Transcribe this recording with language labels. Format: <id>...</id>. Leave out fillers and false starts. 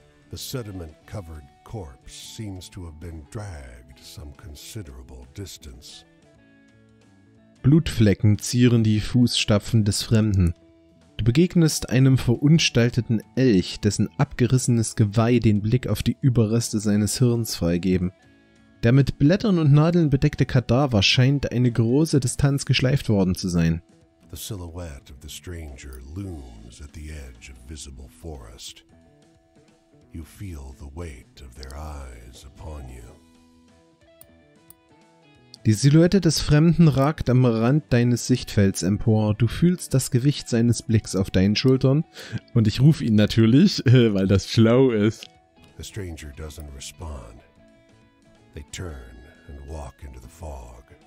<en>The sediment-covered corpse seems to have been dragged some considerable distance.</en> <de>Blutflecken zieren die Fußstapfen des Fremden. Du begegnest einem verunstalteten Elch, dessen abgerissenes Geweih den Blick auf die Überreste seines Hirns freigeben. Der mit Blättern und Nadeln bedeckte Kadaver scheint eine große Distanz geschleift worden zu sein.</de> <en>The silhouette of the stranger looms at the edge of visible forest. You feel the weight of their eyes upon you.</en> <de>Die Silhouette des Fremden ragt am Rand deines Sichtfelds empor. Du fühlst das Gewicht seines Blicks auf deinen Schultern. Und ich rufe ihn natürlich, weil das schlau ist.</de> <en>The stranger doesn't respond. They turn and walk into the fog.</en>